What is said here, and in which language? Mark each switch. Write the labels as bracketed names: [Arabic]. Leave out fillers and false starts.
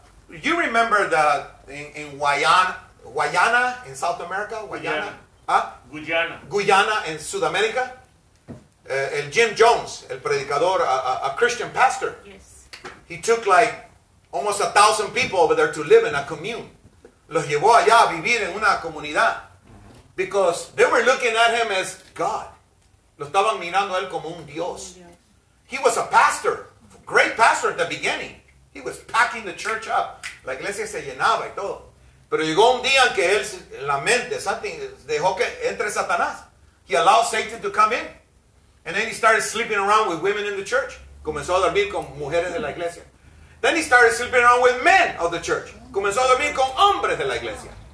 [English] You remember that in Guyana in South America? Guyana? Guyana in South America? El Jim Jones, [Spanish] el predicador, [English] a Christian pastor. Yes. He took like almost 1,000 people over there to live in a commune. [Spanish] Los llevó allá a vivir en una comunidad. [English] Because they were looking at him as God. [Spanish] Lo estaban mirando a él como un Dios. [English] He was a pastor. Great pastor at the beginning. He was packing the church up. [Spanish] La iglesia se llenaba y todo. Pero llegó un día en que él, en la mente, dejó que entre Satanás. [English] He allowed Satan to come in. And then he started sleeping around with women in the church. [Spanish] Comenzó a dormir con mujeres de la iglesia. [English] Then he started sleeping around with men of the church. [Spanish] Comenzó a dormir con hombres de la iglesia.